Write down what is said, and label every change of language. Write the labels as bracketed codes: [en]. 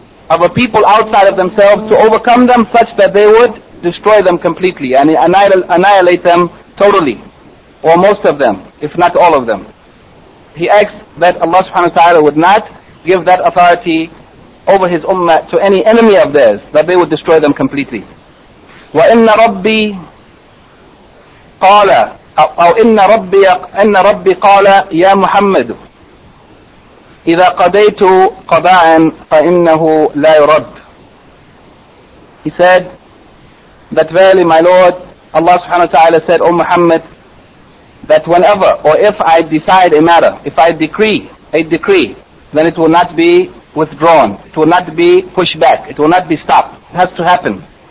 [en] of a people outside of themselves to overcome them such that they would destroy them completely and annihilate them totally, or most of them, if not all of them. He asks that Allah subhanahu wa ta'ala would not give that authority over his ummah to any enemy of theirs, that they would destroy them completely. [ar] وَإِنَّ رَبِّي قَالَ أو إن ربي قال يا محمد إذا قضيت قضاء فإنه لا يرد. [en] He said that verily my Lord Allah subhanahu wa ta'ala said, O Muhammad, that whenever or if I decide a matter, if I decree a decree, then it will not be withdrawn, it will not be pushed back, it will not be stopped, it has to happen.